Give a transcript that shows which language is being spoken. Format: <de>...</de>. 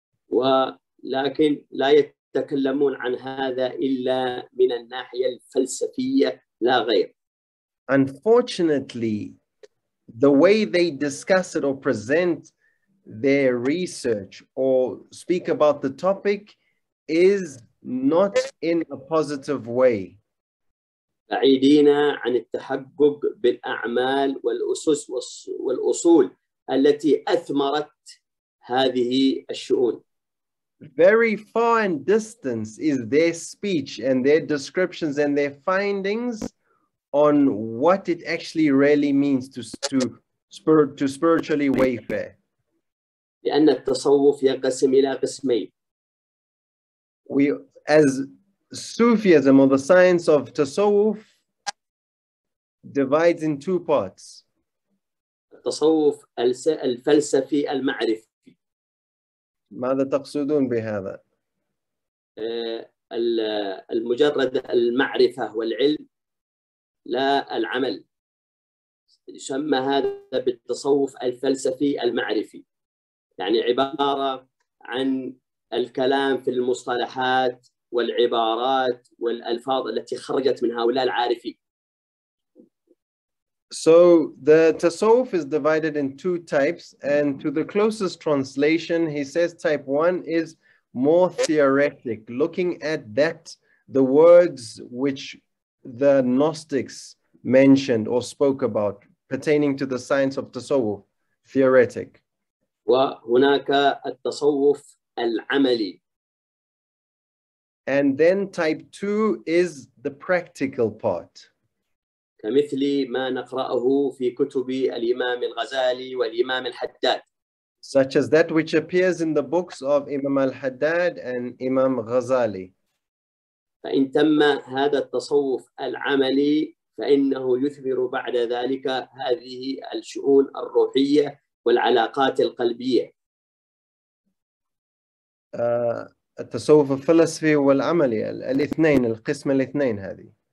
<ar>ولكن لا يتكلمون عن هذا إلا من الناحية الفلسفية لا غير.</ar> <en>Unfortunately, the way they discuss it or present their research or speak about the topic is not in a positive way.</en> <ar>بعيدين عن التحقق بالأعمال والأسس والأصول التي أثمرت هذه الشؤون.</ar> <en>Very far and distant is their speech and their descriptions and their findings on what it actually really means to spiritually wayfare.</en> <ar>لأن التصوف ينقسم إلى قسمين.</ar> <en>We, as Sufism or the science of tasawwuf, divides in two parts.</en> <ar>التصوف الفلسفي المعرفي. ماذا تقصدون بهذا؟ المجرد المعرفة والعلم لا العمل. يسمى هذا بالتصوف الفلسفي المعرفي. يعني عبارة عن الكلام في المصطلحات والعبارات والألفاظ التي خرجت من هؤلاء العارفين.</ar> <en>So the tasawwuf is divided in two types, and to the closest translation, he says type one is more theoretic, looking at that, the words which the Gnostics mentioned or spoke about pertaining to the science of tasawwuf, theoretic.</en> <ar>وهناك التصوف العملي.</ar> <en>And then type two is the practical part.</en> <ar>كمثل ما نقرأه في كتب الإمام الغزالي والإمام الحداد.</ar> <en>Such as that which appears in the books of Imam al-Haddad and Imam Ghazali.</en> <ar>فإن تم هذا التصوف العملي فإنه يثمر بعد ذلك هذه الشؤون الروحية والعلاقات القلبية. التصوف الفلسفي والعملي الاثنين القسم الاثنين هذه.</ar>